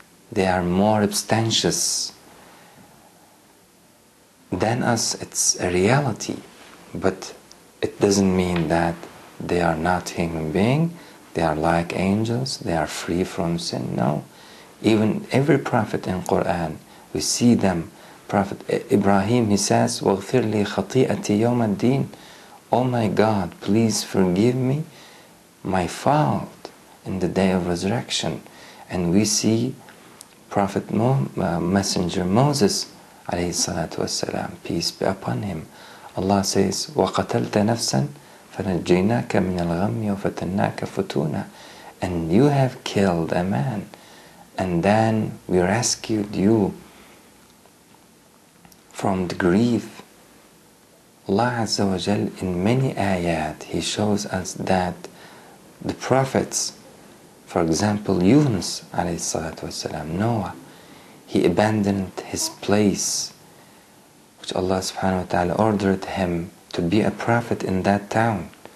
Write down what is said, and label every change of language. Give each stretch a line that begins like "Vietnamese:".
English: They are more abstentious than us. It's a reality, but it doesn't mean that they are not human being, they are like angels, they are free from sin. No, even every prophet in Quran, we see them. Prophet Ibrahim, he says,
Arabic: وَغْفِرْ لِي خَطِيئَةِ يَوْمَ الدِّينِ.
English: Oh my God, please forgive me my fault in the day of resurrection. And we see Prophet Messenger Moses,
Arabic: عليه الصلاة والسلام,
English: peace be upon him. Allah says,
Arabic: وَقَتَلْتَ نَفْسًا فَنَجَّيْنَاكَ مِنَ الْغَمِّ وَفَتَنَّاكَ فُتُونًا.
English: And you have killed a man, and then we rescued you from the grief. Allah Azza wa Jal in many ayat, he shows us that the prophets, for example, Yunus alayhi salatu wasalam, Noah, he abandoned his place, which Allah subhanahu wa ta'ala ordered him to be a prophet in that town.